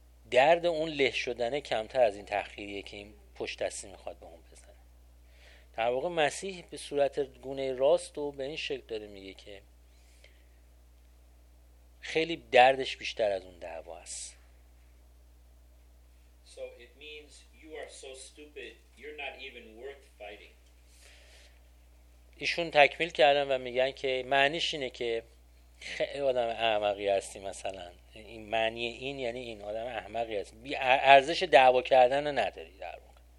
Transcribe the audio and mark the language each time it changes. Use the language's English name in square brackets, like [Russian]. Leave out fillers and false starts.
[Persian] درد اون له شدنه کمتر از این تحقیریه که این پشت دستی میخواد به اون بزنه. در واقع مسیح به صورت گونه راست و به این شکل داره میگه که خیلی دردش بیشتر از اون دعوا است. [English] So it means means you are so stupid, you're not even worth fighting. [Persian] ایشون تکمیل کردن و میگن که معنیش اینه که خیلی آدم احمقی هستی، مثلا این معنی این یعنی این آدم احمقی هست، ارزش دعوا کردن رو نداری در واقع.